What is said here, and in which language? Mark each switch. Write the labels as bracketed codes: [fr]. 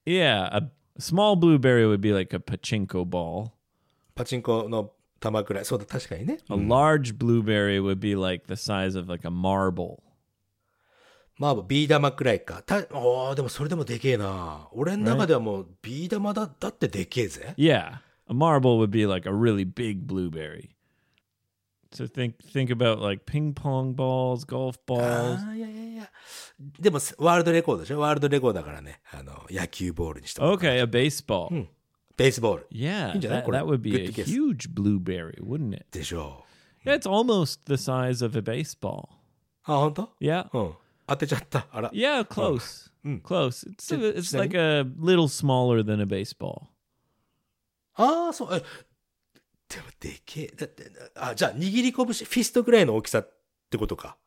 [en] Yeah, a small blueberry would be like a pachinko ball. [ja] パチンコの玉くらい、そうだ、確かにね。 [en] A large blueberry would be like the size of like a marble. [ja] まあ、ビー玉くらいか。ああ、でもそれでもでけえな。俺の中ではもうビー玉だ、 [en] right? [ja] だってでけえぜ。 [en] Yeah. A marble would be like a really big blueberry. So think about like ping pong balls, golf balls. [ja] ああ、いやいやいや。でも、ワールドレコードでしょ？ワールドレコードだからね。あの野球ボールにした。 [en] Okay, a baseball.、 [ja] うん、ベースボール。 Yeah. いいんじゃない？これ。 [en] That would be a huge blueberry, wouldn't it? [ja] でしょう。 [en] Yeah, it's almost the size of a baseball. [ja] あ、本当？ [en] Yeah.、 [ja] うん当てちゃった。あら。 [en] Yeah, close.、うん、close. It's like a little smaller than a baseball. [ja] ああ、そう。でもでけえ。だって、あ、じゃあ握り拳、フィストぐらいの大きさってことか。